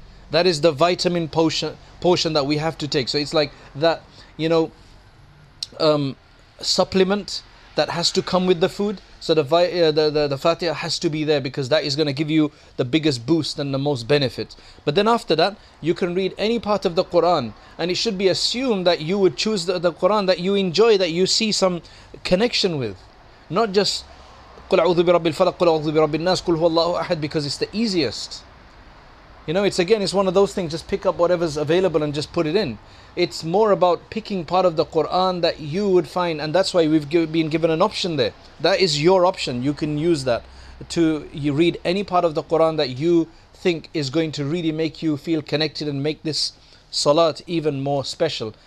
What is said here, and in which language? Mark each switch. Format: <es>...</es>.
<en>That is the vitamin portion that we have to take. So it's like that, you know, supplement that has to come with the food. So the Fatiha has to be there because that is going to give you the biggest boost and the most benefit. But then after that, you can read any part of the Qur'an. And it should be assumed that you would choose the Qur'an that you enjoy, that you see some connection with. Not just</en> <ar>قُلْ أَعُوذُ بِرَبِّ الْفَلَقِ قُلْ أَعُوذُ بِرَبِّ النَّاسِ قُلْ هُوَ اللَّهُ أَحَدٍ,</ar> <en>because it's the easiest. You know, it's one of those things, just pick up whatever's available and just put it in. It's more about picking part of the Qur'an that you would find, and that's why we've been given an option there. That is your option. You can use that to read any part of the Qur'an that you think is going to really make you feel connected and make this salat even more special.</en>